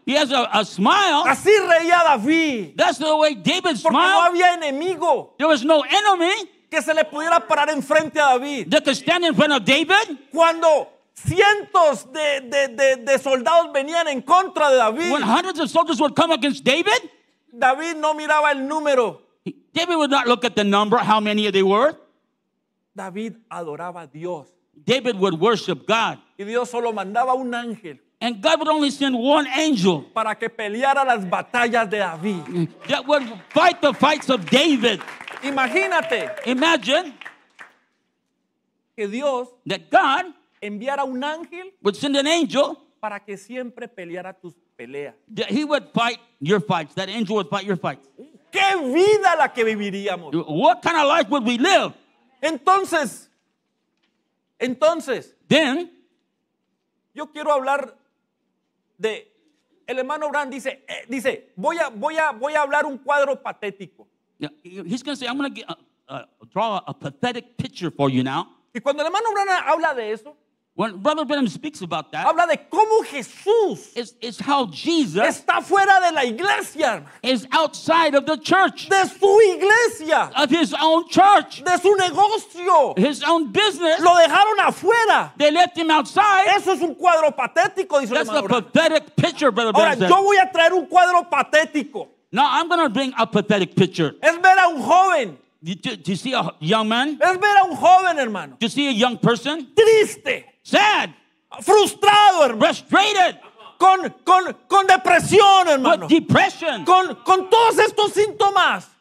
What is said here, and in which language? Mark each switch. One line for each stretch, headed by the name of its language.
English: He has a smile.
Spanish: Así reía David.
English: That's the way David
Spanish: porque Porque no había enemigo.
English: There was no enemy.
Spanish: Que se le pudiera parar enfrente a David.
English: That could stand in front of David.
Spanish: Cuando cientos de soldados venían en contra de David.
English: When hundreds of soldiers would come against David.
Spanish: David no miraba el número.
English: David would not look at the number, how many they were.
Spanish: David adoraba a Dios.
English: David would worship God.
Spanish: Y Dios solo mandaba un ángel.
English: And God would only send one angel.
Spanish: Para que peleara las batallas de David.
English: That would fight the fights of David.
Spanish: Imagínate.
English: Imagine.
Spanish: Que Dios.
English: That God.
Spanish: Enviara un ángel.
English: Would send an angel.
Spanish: Para que siempre peleara tus peleas.
English: That he would fight your fights. That angel would fight your fights.
Spanish: ¿Qué vida la que viviríamos?
English: What kind of life would we live?
Spanish: Entonces. Entonces,
English: then,
Spanish: yo quiero hablar de el hermano Abraham dice, dice, voy a hablar un cuadro patético.
English: Yeah, he's going to say, I'm going to draw a pathetic picture for you now.
Spanish: Y cuando el hermano Abraham habla de eso,
English: when Brother Benham speaks about that,
Spanish: habla de cómo Jesús
English: is how Jesus
Spanish: está fuera de la iglesia,
English: is outside of the church,
Spanish: de su iglesia,
English: of his own church,
Spanish: de su negocio,
English: his own business.
Spanish: Lo dejaron afuera.
English: They left him outside.
Spanish: Eso es un cuadro patético, dice
English: That's
Spanish: el hermano
English: a Abraham. Pathetic picture, Brother
Spanish: Ahora,
English: Benham.
Spanish: Ahora, yo voy a traer un cuadro patético.
English: Now I'm going to bring a pathetic picture.
Spanish: Es ver a un joven.
English: Do you see a young man?
Spanish: Es ver a un joven, hermano.
English: Do you see a young person?
Spanish: Triste.
English: Sad.
Spanish: Frustrado, hermano.
English: Frustrated.
Spanish: Con depresión, hermano.
English: With depression.
Spanish: Con todos estos síntomas.